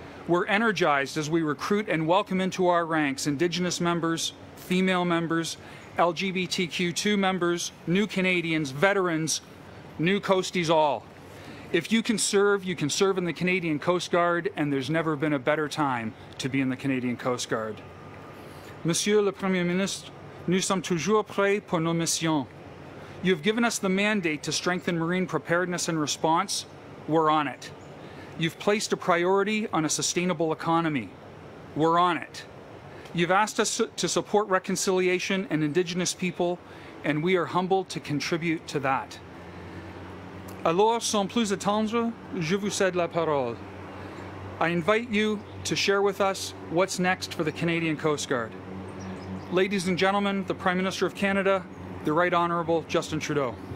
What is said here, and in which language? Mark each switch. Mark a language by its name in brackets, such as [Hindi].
[English] We're energized as we recruit and welcome into our ranks Indigenous members, female members, LGBTQ2 members, new Canadians, veterans, new Coasties all. If you can serve, you can serve in the Canadian Coast Guard, and there's never been a better time to be in the Canadian Coast Guard. [French] Monsieur le Premier Ministre, nous sommes toujours prêts pour nos missions. [English] You've given us the mandate to strengthen marine preparedness and response. We're on it. You've placed a priority on a sustainable economy. We're on it. You've asked us to support reconciliation and Indigenous people, and we are humbled to contribute to that. [French] Alors, sans plus attendre, je vous cède la parole. [English] I invite you to share with us what's next for the Canadian Coast Guard. Ladies and gentlemen, the Prime Minister of Canada, the Right Honourable Justin Trudeau.